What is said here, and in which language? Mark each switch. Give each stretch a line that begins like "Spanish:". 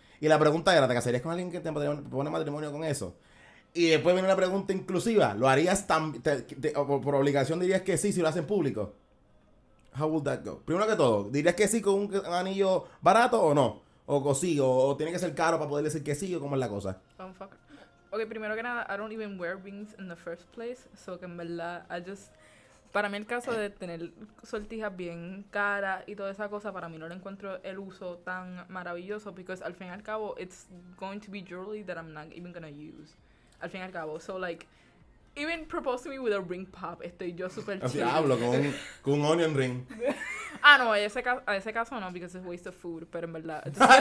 Spanish: Y la pregunta era, ¿te casarías con alguien que te propone matrimonio con eso? Y después viene la pregunta inclusiva. ¿Lo harías por obligación dirías que sí si lo hacen público?
English: How would that go?
Spanish: Primero que todo, ¿dirías que sí con un anillo barato o no? O sí, o tiene que ser caro para poder decir que sí o cómo es la cosa.
English: Oh, fuck.
Spanish: Ok, primero que nada,
English: I don't even wear rings in the first place.
Spanish: So que en verdad, para mí el caso de tener sortijas bien cara y toda esa cosa, para mí no le encuentro el uso tan maravilloso.
English: Because
Spanish: al fin y al cabo,
English: it's going to be jewelry that I'm not even gonna use.
Spanish: Al fin y al cabo,
English: so like, even propose to me with a ring pop,
Spanish: estoy yo super chido. Hablo con un onion ring. Ah, no, a ese caso no,
English: because it's a waste of food,
Spanish: pero en verdad.